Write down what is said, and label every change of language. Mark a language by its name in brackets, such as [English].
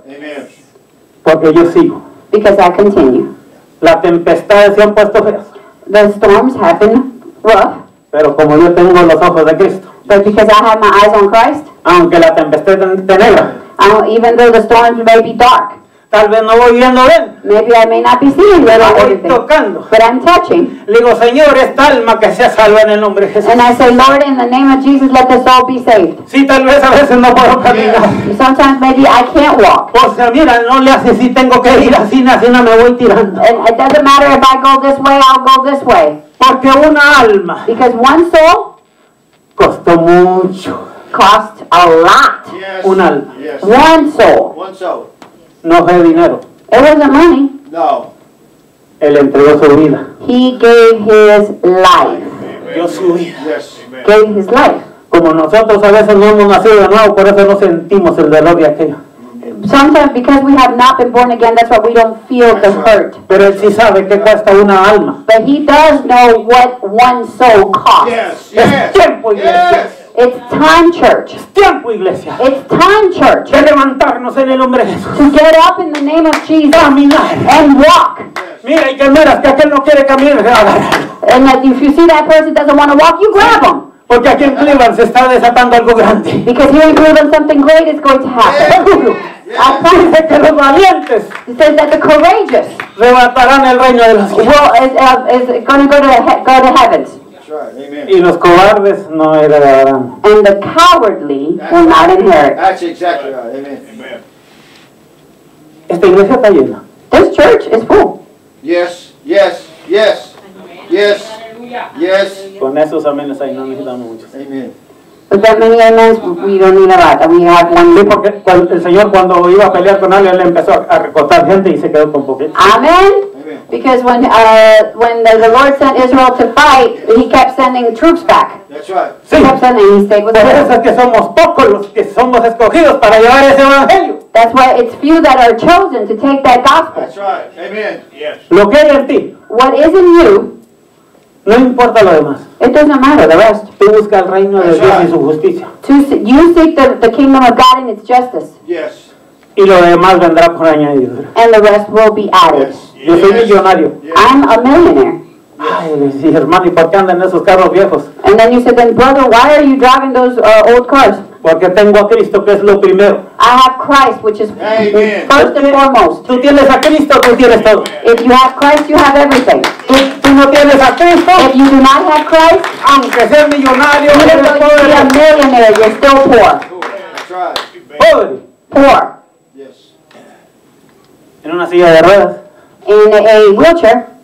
[English] Amen. [Spanish] Porque yo sigo. [English] Because I continue. [Spanish] Las tempestades se han puesto feas. [English] The storms have been rough. [Spanish] Pero como yo tengo los ojos de Cristo. [English] But because I have my eyes on Christ. [Spanish] Aunque la tempestad esté negra. [English] Even though the storms may be dark. [Spanish] Tal vez no voy viendo bien. [English] Maybe I may not be seeing [Spanish] bien. Tocando. [English] But I'm touching. [Spanish] Le digo, Señor, esta alma que sea salva en el nombre de Jesús. [English] And I say, Lord, in the name of Jesus, let this all be saved. [Spanish] Sí, tal vez a veces no puedo caminar. [English] Yeah. Sometimes maybe I can't walk. [Spanish] O sea, mira, no le hace si tengo que ir así, así no me voy tirando. [English] And it doesn't matter if I go this way, I'll go this way. [Spanish] Porque una alma. [English] Because one soul. [Spanish] Costó mucho. [English] Cost a lot. Yes. [Spanish] Un alma. [English] Yes. One soul. One soul. [Spanish] No fue dinero. [English] It wasn't money. [Spanish] No. Él entregó su vida. [English] He gave his life. [Spanish] Dio su vida. [English] Yes. Gave his life. [Spanish] Como nosotros a veces no hemos nacido de nuevo, por eso no sentimos el dolor de aquello. [English] Sometimes because we have not been born again, that's why we don't feel the hurt. [Spanish] Pero él sí sabe qué cuesta una alma. [English] But he does know what one soul costs. Yes. Yes. [Spanish] Es tiempo, [English] yes. Yes. It's time, church. [Spanish] Es tiempo, iglesia. [English] It's time, church. [Spanish] De levantarnos en el nombre de Jesús. [English] To get up in the name of Jesus. [Spanish] Caminar. [English] And walk. [Spanish] Mira, y que miras que aquel no quiere caminar. [English] And that if you see that person doesn't want to walk, you grab him. [Spanish] Porque aquí en Cleveland se está desatando algo grande. [English] Because here in Cleveland something great is going to happen. Yeah. Yeah. I promise [Spanish] que los valientes. [English] It says that the courageous. [Spanish] Levantarán el reino de los cielos. [English] Is going to go to heaven. Amen. [Spanish] Y los cobardes no heredarán. [English] And the cowardly will not inherit. That's exactly right. Amen. [Spanish] Esta iglesia está llena. [English] This church is full. Yes, yes, yes, yes, yes. [Spanish] Con esos aménes ahí no necesitamos muchos. [English] Amen. But that many amens, we don't need a lot. We have one. [Spanish] Sí, porque el Señor cuando iba a pelear con alguien, le empezó a recortar gente y se quedó con poquito. [English] Amen. Because when the Lord sent Israel to fight, he kept sending troops back. That's right. He [Spanish] sí. [English] Kept sending, he stayed with [Spanish] Israel. Por eso es que somos pocos los que somos escogidos para llevar ese evangelio. [English] That's why it's few that are chosen to take that gospel. That's right. Amen. Yes. [Spanish] Lo que hay en ti. [English] What is in you. [Spanish] No importa lo demás. [English] It doesn't matter the rest. [Spanish] Tú busca el reino de Dios y su justicia. [English] You seek the kingdom of God and its justice. Yes. [Spanish] Y lo demás vendrá por añadidura. [English] And the rest will be added. Yes. [Spanish] Yo soy millonario. [English] Yes. I'm a millionaire. [Spanish] Yes. Ay, sí, hermano, ¿y por qué andan esos carros viejos? [English] And then you said, then brother, why are you driving those old cars? [Spanish] Porque tengo a Cristo, que es lo primero. [English] I have Christ, which is amen. First and foremost. [Spanish] Tú tienes a Cristo, tú tienes todo. [English] If you have Christ, you have everything. [Spanish] Si no tienes a Cristo, [English] if you do not have Christ, [Spanish] aunque sea millonario, [English] even though you be a millionaire, you're still poor. That's right. Poor. Yes. [Spanish] En una silla de ruedas. [English] In a wheelchair.